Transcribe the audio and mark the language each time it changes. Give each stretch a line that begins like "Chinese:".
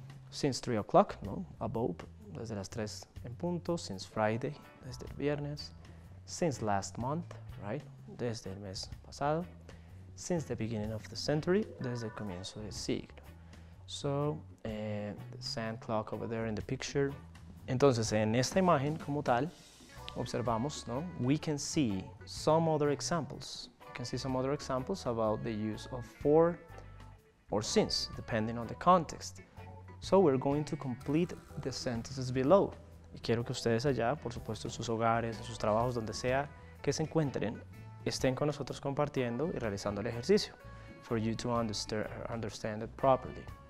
English: Since 3 o'clock, no, above,
Spanish: desde las 3 en punto,
English: since Friday,
Spanish: desde el viernes,
English: since last month, right,
Spanish: desde el mes pasado,
English: since the beginning of the century,
Spanish: desde el comienzo del siglo.
English: So, the sand clock over there in the picture.
Spanish: Entonces, en esta imagen como tal, observamos, ¿no?
English: We can see some other examples. You can see some other examples about the use of for or since, depending on the context. So we're going to complete the sentences below.
Spanish: Y quiero que ustedes allá, por supuesto, en sus hogares, en sus trabajos, donde sea que se encuentren, estén con nosotros compartiendo y realizando el ejercicio
English: for you to understand it properly.